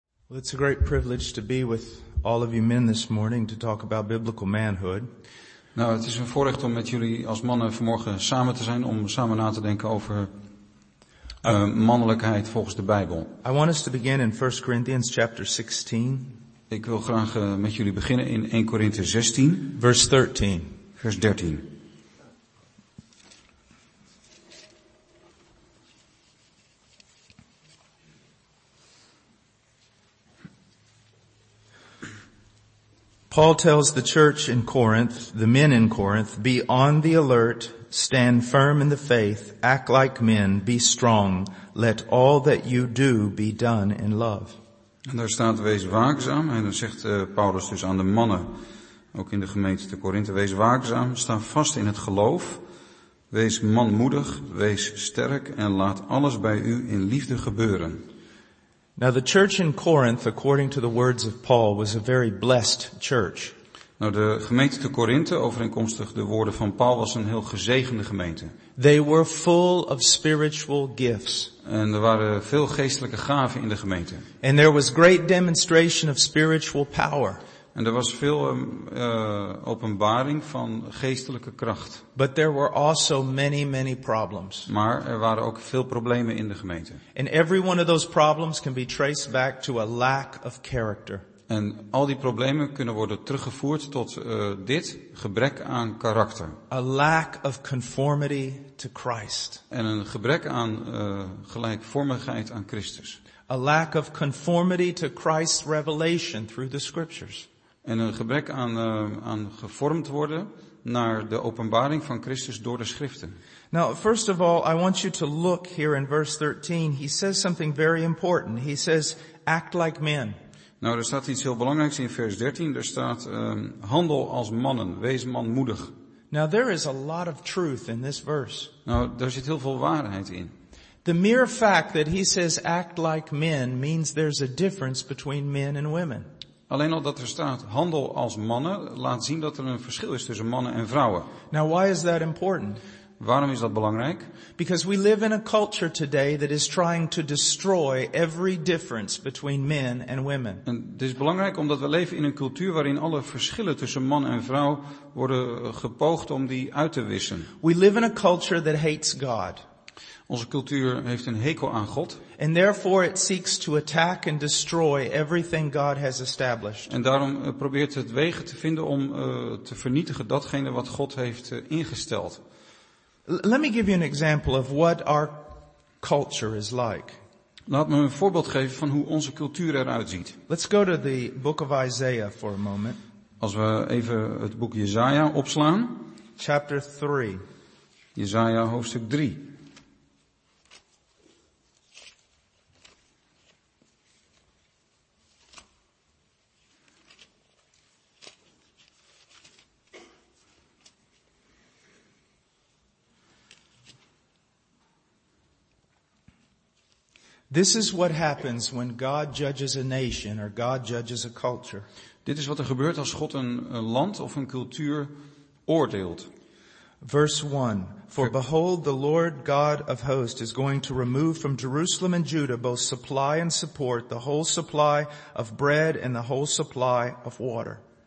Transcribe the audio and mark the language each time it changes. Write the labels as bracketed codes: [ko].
[en] Well, it's a great privilege to be with all of you men this morning to talk about biblical manhood. [nl] Nou, het is een voorrecht om met jullie als mannen vanmorgen samen te zijn om samen na te denken over mannelijkheid volgens de Bijbel. [en] I want us to begin in 1 Corinthians chapter 16. [nl] Ik wil graag met jullie beginnen in 1 Korinthe 16, [en] verse 13. [nl] Vers 13. [en] Paul tells the church in Corinth, the men in Corinth, be on the alert, stand firm in the faith, act like men, be strong, let all that you do be done in love. [nl] En daar staat, wees waakzaam, en dan zegt Paulus dus aan de mannen, ook in de gemeente te Korinthe, wees waakzaam, sta vast in het geloof, wees manmoedig, wees sterk, en laat alles bij u in liefde gebeuren. [en] Now the church in Corinth, according to the words of Paul, was a very blessed church. [nl] Nou, de gemeente te Korinthe, overeenkomstig de woorden van Paul, was een heel gezegende gemeente. [en] They were full of spiritual gifts. [nl] En er waren veel geestelijke gaven in de gemeente. [en] And there was great demonstration of spiritual power. [nl] En er was veel openbaring van geestelijke kracht. [en] But there were also many, many problems. [nl] Maar er waren ook veel problemen in de gemeente. [en] And every one of those problems can be traced back to a lack of character. [nl] En al die problemen kunnen worden teruggevoerd tot dit gebrek aan karakter. [en] A lack of conformity to Christ. [nl] En een gebrek aan gelijkvormigheid aan Christus. [en] A lack of conformity to Christ's revelation through the scriptures. [nl] En een gebrek aan gevormd worden naar de openbaring van Christus door de schriften. [en] Now, first of all, I want you to look here in verse 13. He says something very important. He says, act like men. [nl] Nou, er staat iets heel belangrijks in vers 13. Er staat, handel als mannen, wees manmoedig. [en] Now, there is a lot of truth in this verse. [nl] Nou, daar zit heel veel waarheid in. [en] The mere fact that he says act like men means there's a difference between men and women. [nl] Alleen al dat er staat handel als mannen laat zien dat er een verschil is tussen mannen en vrouwen. [en] Now why is that important? [nl] Waarom is dat belangrijk? [en] Because we live in a culture today that is trying to destroy every difference between men and women. [nl] En het is belangrijk omdat we leven in een cultuur waarin alle verschillen tussen man en vrouw worden gepoogd om die uit te wissen. [en] We live in a culture that hates God. [nl] Onze cultuur heeft een hekel aan God. [en] And therefore it seeks to attack and destroy everything God has established. [nl] En daarom probeert het wegen te vinden om te vernietigen datgene wat God heeft ingesteld. [en] Let me give you an example of what our culture is like. [nl] Laat me een voorbeeld geven van hoe onze cultuur eruit ziet. [en] Let's go to the book of Isaiah for a moment. [nl] Als we even het boek Jesaja opslaan. [en] Chapter 3. [nl] Jesaja hoofdstuk 3. [en] This is what happens when God judges a nation or God judges a culture. [nl] Dit is wat er gebeurt als God een land of een cultuur oordeelt. [en] Verse 1. For behold, the Lord God of hosts is going to remove from Jerusalem and Judah both supply and support, the whole supply of bread and the whole supply of water.